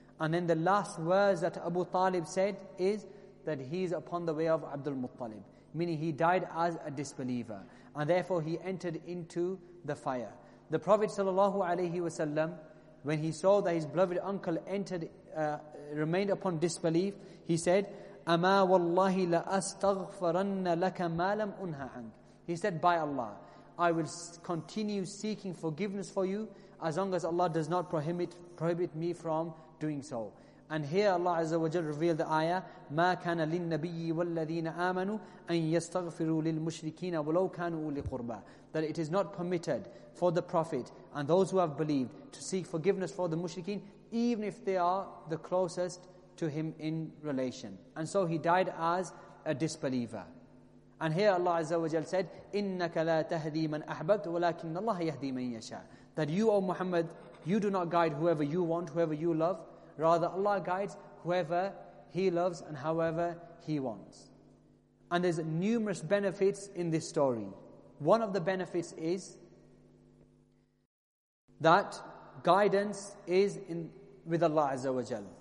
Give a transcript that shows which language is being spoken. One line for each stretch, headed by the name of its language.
English: And then the last words that Abu Talib said is that he is upon the way of Abdul Muttalib, meaning he died as a disbeliever, and therefore he entered into the fire. The Prophet sallallahu alaihi wasallam, when he saw that his beloved uncle remained upon disbelief, he said,
Arabic: أما والله لا أستغفرن لك ما لم أنها عنك.
English: He said, by Allah, I will continue seeking forgiveness for you as long as Allah does not prohibit me from doing so. And here Allah Azza wa Jalla revealed the ayah,
Arabic: مَا كَانَ لِلنَّبِيِّ وَالَّذِينَ آمَنُوا أَن يَسْتَغْفِرُوا لِلْمُشْرِكِينَ وَلَوْ كَانُوا لِقُرْبَى.
English: That it is not permitted for the Prophet and those who have believed to seek forgiveness for the mushrikeen, even if they are the closest to him in relation. And so he died as a disbeliever. And here Allah Azza wa Jalla said,
Arabic: إِنَّكَ لَا تَهْدِي مَنْ أَحْبَبْتُ وَلَكِنَّ اللَّهَ يَهْدِي مَنْ يَشَاءَ.
English: That you, O Muhammad, you do not guide whoever you want, whoever you love. Rather, Allah guides whoever He loves and however He wants. And there's numerous benefits in this story. One of the benefits is that guidance is with Allah Azza wa Jal.